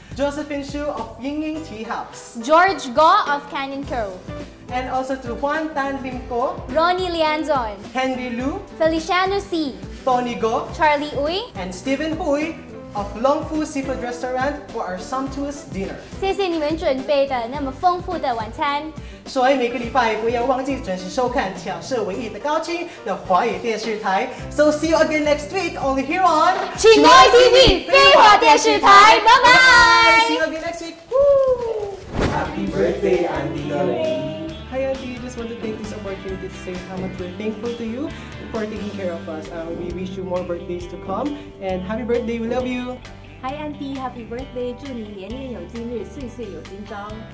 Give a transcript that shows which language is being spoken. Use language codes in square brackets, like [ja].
[en] Josephine Shu of Ying Ying Tea House. George Goh of Canyon Cove. And also to Juan Tan Lim Ko. Ronnie Lianzon. Henry Lu. Feliciano C. Tony Go. Charlie Uy. And Stephen Huy of Long Fu Seafood Restaurant for our sumptuous dinner. [zh] 谢谢你们准备的那么丰富的晚餐。所以每个礼拜不要忘记准时收看挑设唯一的高清的华语电视台。 [en] So see you again next week only here on [zh] CHInoy TV 飞华电视台。拜拜。 [en] See you again next week. Woo! Happy birthday, Andy. Hi, Andy. Just want to take this opportunity to say how much we're thankful to you for taking care of us. We wish you more birthdays to come and happy birthday. We love you. Hi, Andy. Happy birthday. [zh] 祝你年年有今日，岁岁有今朝。